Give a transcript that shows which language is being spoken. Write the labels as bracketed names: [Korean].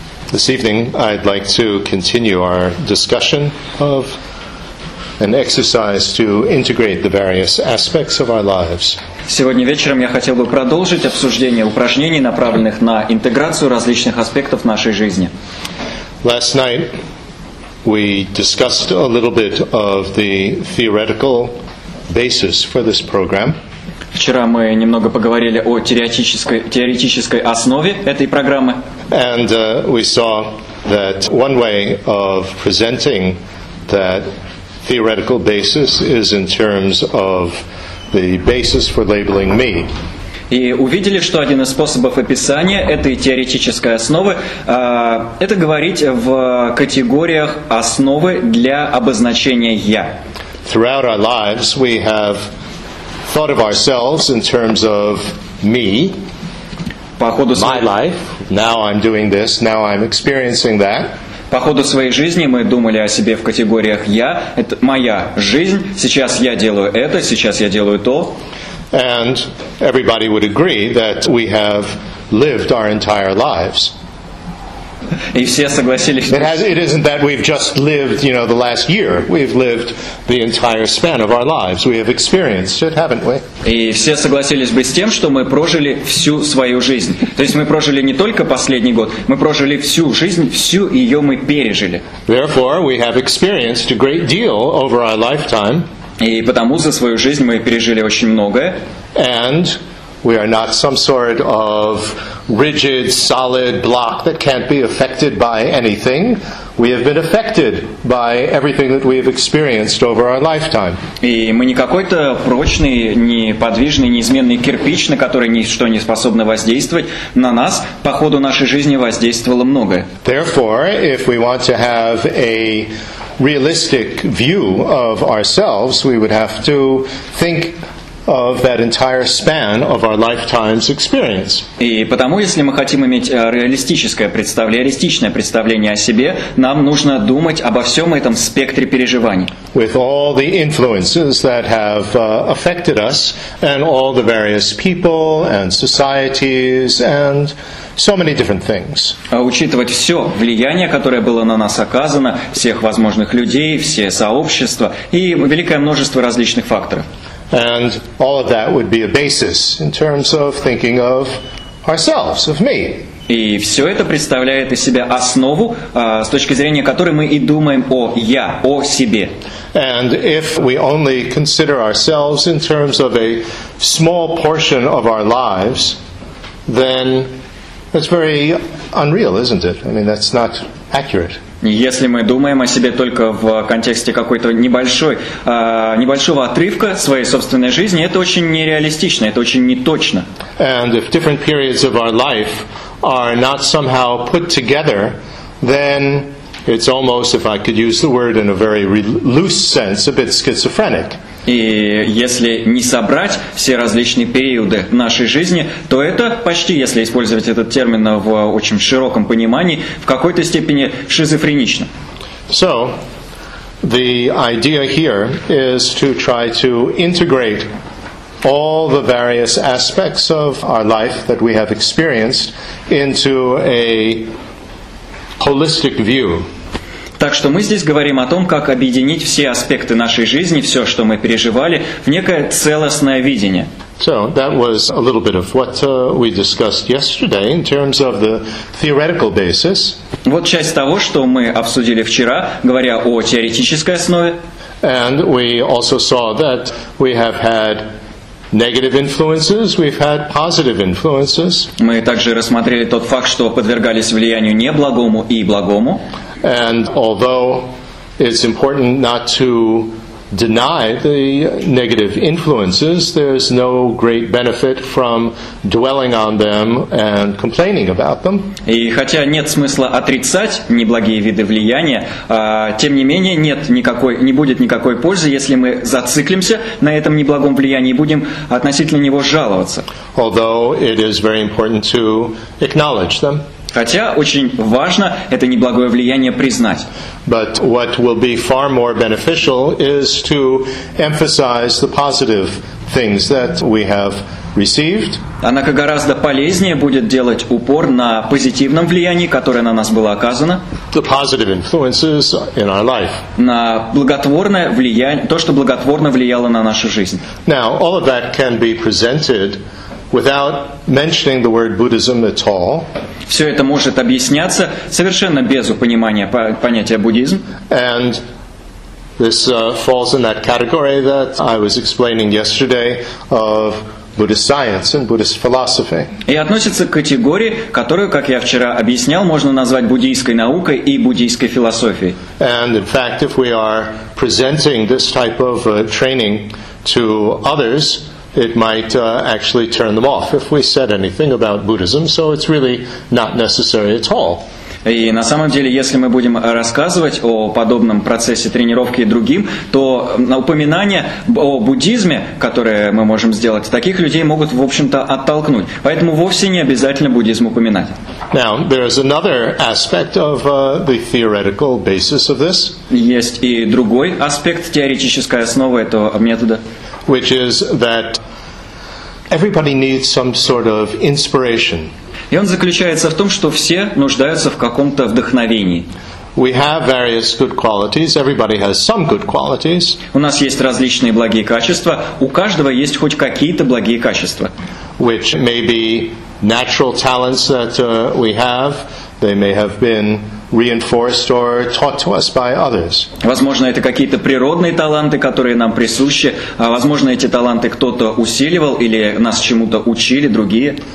[English] This evening, I'd like to continue our discussion of an exercise to integrate the various aspects of our lives. [Russian] Сегодня вечером я хотел бы продолжить обсуждение упражнений, направленных на интеграцию различных аспектов нашей жизни. [English] Last night, we discussed a little bit of the theoretical basis for this program. [Russian] Вчера мы немного поговорили о теоретической основе этой программы. [English] And we saw that one way of presenting that theoretical basis is in terms of the basis for labeling me. [Russian] И увидели, что один из способов описания этой теоретической основы это говорить в категориях основы для обозначения я. [English] Throughout our lives we have thought of ourselves in terms of me, my life, now I'm doing this, now I'm experiencing that. [Russian] По ходу своей жизни мы думали о себе в категориях «я», это моя жизнь, сейчас я делаю это, сейчас я делаю то. [English] And everybody would agree that we have lived our entire lives. [Russian] И все согласились. [English] It isn't that we've just lived, you know, the last year. We've lived the entire span of our lives. We have experienced it, haven't we? [Russian] И все согласились бы с тем, что мы прожили всю свою жизнь. То есть мы прожили не только последний год, мы прожили всю жизнь, всю ее мы пережили. [English] Therefore, we have experienced a great deal over our lifetime. [Russian] И потому за свою жизнь мы пережили очень многое. [English] And we are not some sort of rigid, solid block that can't be affected by anything. We have been affected by everything that we have experienced over our lifetime. [Russian] И мы не какой-то прочный, неподвижный, неизменный кирпич, на который ничто не способно воздействовать. На нас по ходу нашей жизни воздействовало многое. [English] Therefore, if we want to have a realistic view of ourselves, we would have to think of that entire span of our lifetime's experience. [Russian] И потому, если мы хотим иметь реалистичное представление о себе, нам нужно думать обо всем этом спектре переживаний. [English] With all the influences that have affected us, and all the various people and societies and so many different things. [Russian] Учитывать все влияние, которое было на нас оказано, всех возможных людей, все сообщества и великое множество различных факторов. [English] And all of that would be a basis in terms of thinking of ourselves, of me. [Russian] И все это представляет из себя основу, с точки зрения которой мы и думаем о я, о себе. [English] And if we only consider ourselves in terms of a small portion of our lives, then that's very unreal, isn't it? I mean, that's not accurate. [Russian] Если мы думаем о себе только в контексте какой-то небольшого отрывка своей собственной жизни, это очень нереалистично, это очень неточно. [English] And if different periods of our life are not somehow put together, then it's almost, if I could use the word in a very loose sense, a bit schizophrenic. [Russian] И если не собрать все различные периоды нашей жизни, то это почти, если использовать этот термин в очень широком понимании, в какой-то степени шизофренично. [English] So, the idea here is to try to integrate all the various aspects of our life that we have experienced into a holistic view. [Russian] Так что мы здесь говорим о том, как объединить все аспекты нашей жизни, все, что мы переживали, в некое целостное видение. [English] So, that was a little bit of what we discussed yesterday in terms of the theoretical basis. [Russian] Вот часть того, что мы обсудили вчера, говоря о теоретической основе. [English] And we also saw that we have had negative influences, we've had positive influences. [Russian] Мы также рассмотрели тот факт, что подвергались влиянию неблагому и благому. [English] And although it's important not to deny the negative influences, there's no great benefit from dwelling on them and complaining about them. [Russian] И хотя нет смысла отрицать неблагие виды влияния, тем не менее не будет никакой пользы, если мы зациклимся на этом неблагом влиянии и будем относительно него жаловаться. [English] Although it is very important to acknowledge them. [Russian] Хотя очень важно это неблагое влияние признать. [English] But what will be far more beneficial is to emphasize the positive things that we have received. [Russian] Она как гораздо полезнее будет делать упор на позитивном влиянии, которое на нас было оказано. [English] The positive influences in our life. [Russian] На благотворное влияние, то, что благотворно влияло на нашу жизнь. [English] Now, all of that can be presented without mentioning the word Buddhism at all. [Russian] Все это может объясняться совершенно без упоминания понятия буддизм. [English] And this falls in that category that I was explaining yesterday of Buddhist science and Buddhist philosophy. [Russian] И относится к категории, которую, как я вчера объяснял, можно назвать буддийской наукой и буддийской философией. [English] And in fact, if we are presenting this type of training to others, it might actually turn them off if we said anything about Buddhism. So it's really not necessary at all. [Russian] И на самом деле, если мы будем рассказывать о подобном процессе тренировки и другим, то упоминания о буддизме, которые мы можем сделать, таких людей могут, в общем-то, оттолкнуть. Поэтому вовсе не обязательно буддизм упоминать. [English] Now, there is another aspect of the theoretical basis of this. [Russian] Есть и другой аспект, теоретической основы этого метода. [English] Which is that everybody needs some sort of inspiration. [Russian] И он заключается в том, что все нуждаются в каком-то вдохновении. [English] We have various good qualities. Everybody has some good qualities. [Russian] У нас есть различные благие качества. У каждого есть хоть какие-то благие качества. [English] Which may be natural talents that we have. They may have been reinforced or taught to us by others. [Russian] Возможно, это какие-то природные таланты, которые нам присущи. А возможно, эти таланты кто-то усиливал или нас чему-то учили другие.